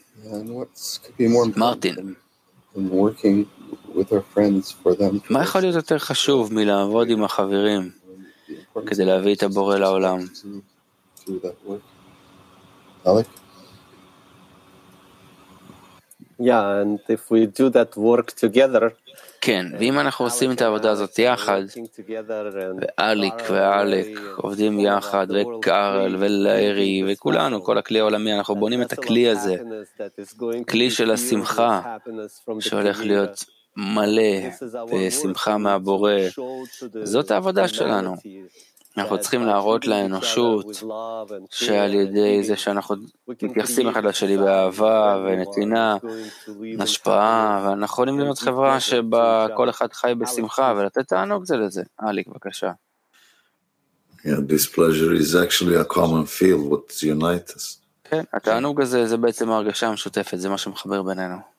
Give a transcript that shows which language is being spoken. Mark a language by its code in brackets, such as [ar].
[en] And what could be more important than working with our friends for them? [he] מה יכול להיות יותר חשוב מלעבוד עם החברים כדי להביא את הבורא לעולם? [en] Alec? Yeah, and if we do that work together, [he] כן, ואם אנחנו עושים את העבודה הזאת יחד, ואליק ואלק עובדים יחד, וקארל ולארי, וכולנו, כל הכלי העולמי, אנחנו בונים את הכלי הזה, כלי של השמחה, שהולך להיות מלא, ושמחה מהבורא, זאת העבודה שלנו. אנחנו צריכים להראות לאנושות, שעל ידי זה שאנחנו מתייחסים אחד לשני באהבה ונתינה, השפעה, ואנחנו יכולים להיות חברה שבה כל אחד חי בשמחה, ולתת תענוג זה לזה. אליק, בבקשה. [en] This pleasure is actually a common field what unites us. [he] כן, התענוג הזה זה בעצם הרגשה המשותפת, זה מה שמחבר בינינו.